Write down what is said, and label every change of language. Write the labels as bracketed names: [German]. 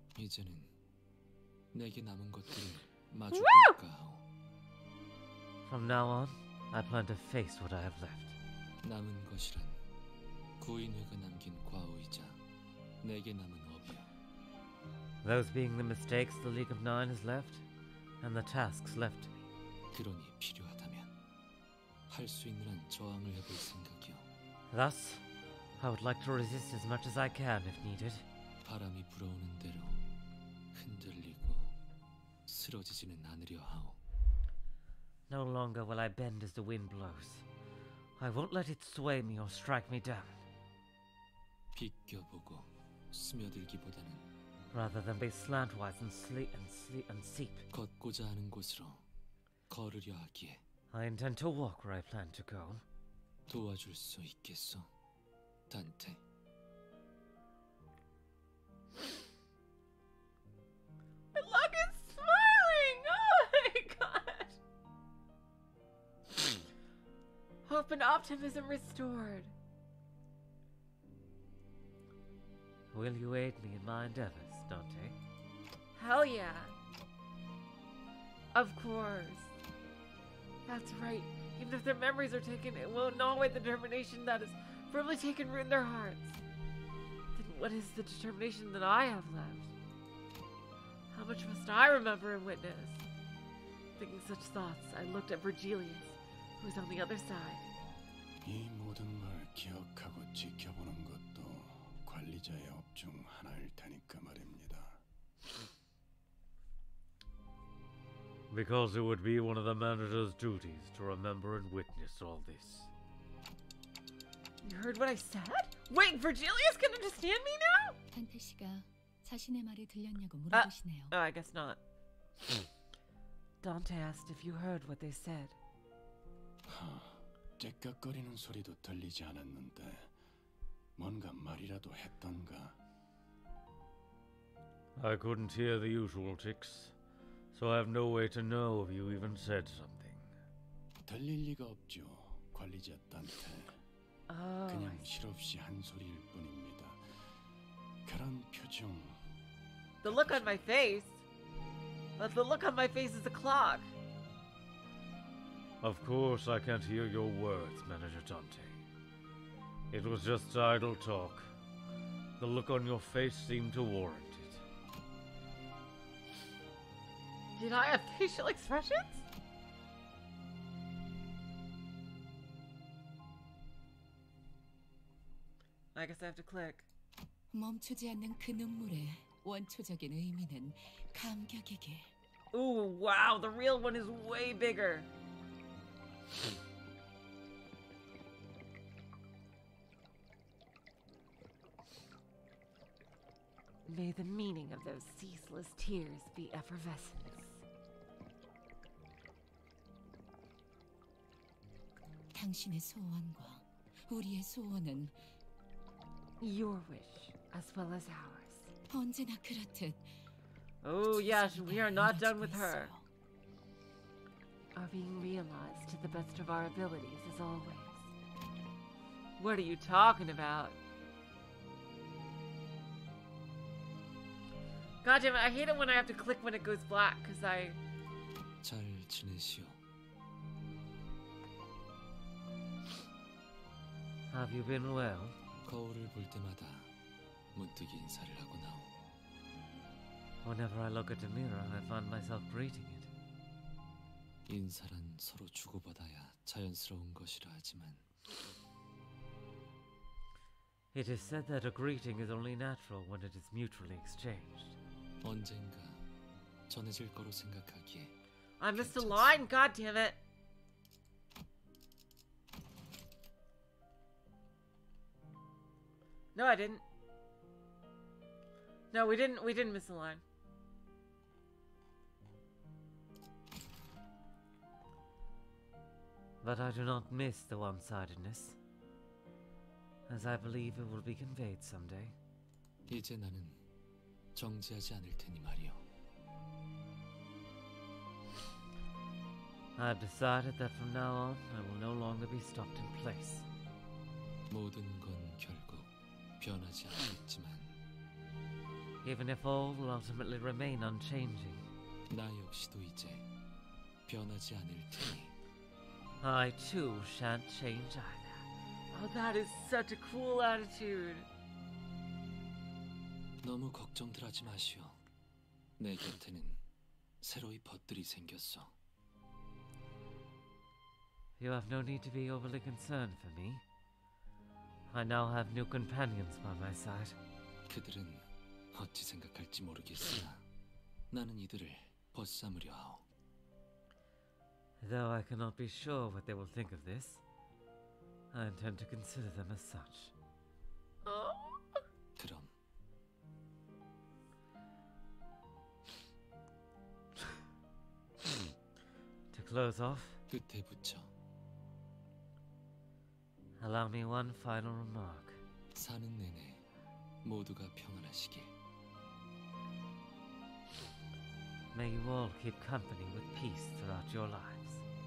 [Korean] 이제는 내게 남은 것들을 마주볼까 하오. [English] From now on, I plan to face what I have left. [Korean] 남은 것이란 구인회가 남긴 과오이자 내게 남은 업이야. [English] Those being the mistakes the League of Nine has left, and the tasks left. [Korean] 그러니 필요하다면 할 수 있는 한 저항을 해볼 생각이오. [English] Thus, I would like to resist as much as I can if needed. [Korean] 바람이 불어오는 대로 흔들리고 쓰러지지는 않으려 하오. [English] No longer will I bend as the wind blows. I won't let it sway me or strike me down. [Korean] 비껴보고 스며들기보다는 [English] rather than be slantwise and seep. [Korean] 걷고자 하는 곳으로 걸으려 하기에 [English] I intend to walk where I plan to go. [Korean] 도와줄 수 있겠소, 단테? [English] My lung is swelling! Oh my god! Hope and optimism restored. Will you aid me in my endeavors, Dante? Hell yeah. Of course. That's right. Even if their memories are taken, it will gnaw away the determination that has firmly taken root in their hearts. Then what is the determination that I have left? How much must I remember and witness? Thinking such thoughts, I looked at Virgilius, who was on the other side. [Korean] 이 모든 걸 기억하고 지켜보는 것도 관리자의 업중 하나일 테니까 말입니다. [English] Because it would be one of the manager's duties to remember and witness all this. You heard what I said? Wait, Virgilius can understand me now? [Korean] Dante 씨가 자신의 말이 들렸냐고 물어보시네요. [English] Oh, I guess not. Dante asked if you heard what they said. [Korean] 째깍거리는 소리도 들리지 않았는데 뭔가 말이라도 했던가? [English] I couldn't hear the usual ticks, so I have no way to know if you even said something. [Korean] 들릴 리가 없죠, 관리자 단테. 그냥 실없이 한 소리일 뿐입니다. 그런 표정. [English] The look on my face. But the look on my face is a clock. Of course, I can't hear your words, Manager Dante. It was just idle talk. The look on your face seemed to warrant it. Did I have facial expressions? I guess I have to click. [Korean] 멈추지 않는 그 눈물의 원초적인 의미는 감격이게. [English] Ooh, wow, the real one is way bigger. May the meaning of those ceaseless tears be effervescence. [Korean] 당신의 소원과 우리의 소원은 [English] Your wish, as well as ours. [Korean] 언제나 그렇듯 [English] Oh yes, we are not done with her. Are being realized to the best of our abilities, as always. What are you talking about? Goddamn it, I hate it when I have to click when it goes black, because I... [Korean] 잘 지내시오. [English] Have you been well? [Korean] 거울을 볼 때마다 문득 인사를 하고 나오. [English] Whenever I look at the mirror, I find myself greeting it. [Korean] 인사란 서로 주고받아야 자연스러운 것이라 하지만... [English] It is said that a greeting is only natural when it is mutually exchanged. [Korean] 언젠가 전해질 거로 생각하기에 [English] I missed a line, goddammit! No, I didn't. No, we didn't miss a line. But I do not miss the one-sidedness. As I believe it will be conveyed someday. [Korean] 이제 나는 정지하지 않을 테니 말이오. [English] I have decided that from now on, I will no longer be stopped in place. [Korean] 모든 건 결국 변하지 않겠지만. [English] Even if all will ultimately remain unchanging. [Korean] 나 역시도 이제 변하지 않을 테니. [English] I too shan't change either. Oh, that is such a cool attitude. [Korean] 너무 걱정들 하지 마시오. 내 곁에는 새로이 벗들이 생겼어. [English] You have no need to be overly concerned for me. I now have new companions by my side. [Korean] 그들은 어찌 생각할지 모르겠으나 나는 이들을 벗삼으려 하오. [English] Though I cannot be sure what they will think of this, I intend to consider them as such. [Korean] 그럼. [English] To close off, [Korean] 끝에 붙여. [English] Allow me one final remark. [Korean] 사는 내내 모두가 평안하시길. [English] May you all keep company with peace throughout your lives.